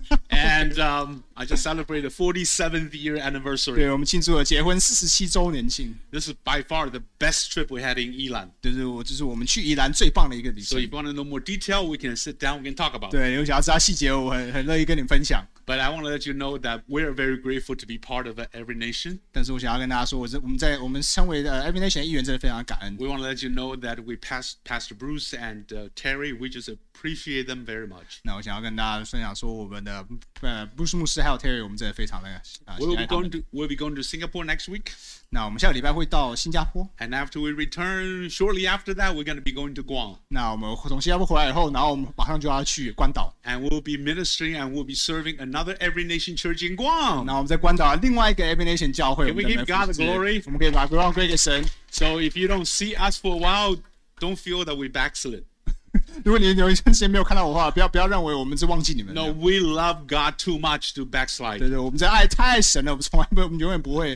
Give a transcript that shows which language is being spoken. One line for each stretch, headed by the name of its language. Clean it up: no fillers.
English: And I just celebrated the 47th year anniversary.
Chinese: 对，我们庆祝了结婚47周年庆。
English: This is by far the best trip we had in Yilan.
Chinese: 就是我们去宜兰最棒的一个旅行。
English: So if you want to know more detail, we can sit down, we can talk about it.
Chinese: 对，如果想要知道细节，我很乐意跟你分享。
English: But I want to let you know that we are very grateful to be part of Every Nation.
Chinese: 但是我想要跟大家说，我们称为 Every Nation的一员，真的非常感恩。
English: We want to let you know that we Pastor Bruce and Terry, we just appreciate them very much.
Chinese: 那我想要跟大家分享说，我们的 Bruce 牧师还有 Terry， 我们真的非常的喜爱他们。
English: We'll be going to Singapore next week.
Chinese: 那我们下个礼拜会到新加坡。
English: And after we return, shortly after that, we're going to be going to Guam.
Chinese: 那我们从新加坡回来以后，然后我们马上就要去关岛。
English: And we'll be ministering and we'll be serving another Every Nation Church in Guam.
Chinese: 那我们在关岛另外一个 Every Nation 教会。
English: Can we give God the glory?
Chinese: 我们可以把 glory 归给神。
English: So if you don't see us for a while, don't feel that we backslid.
Chinese: 如果你有一段时间没有看到我的话，不要认为我们是忘记你们。
English: No, we love God too much to backslide.
Chinese: 对，我们这爱太神了，我们从来不，我们永远不会。